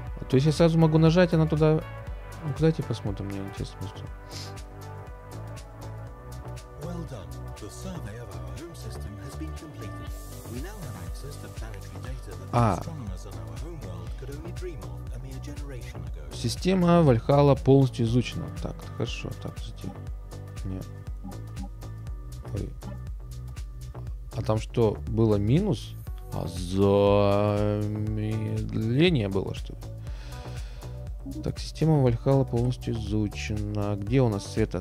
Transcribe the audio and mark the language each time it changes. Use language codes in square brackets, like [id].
[ru] То есть я сразу могу нажать, она туда. Ну, давайте посмотрим, мне интересно. Что... [en] Well done. The survey of our home system has been completed. We now have access to planetary data that astronomers on our home world could only dream of a mere generation ago. [ru] Система Вальхалла полностью изучена. Так, хорошо, так, затем. Нет. Ой. А там что, было минус? А замедление было, что ли? Так, система Вальхалла полностью изучена. Где у нас Света?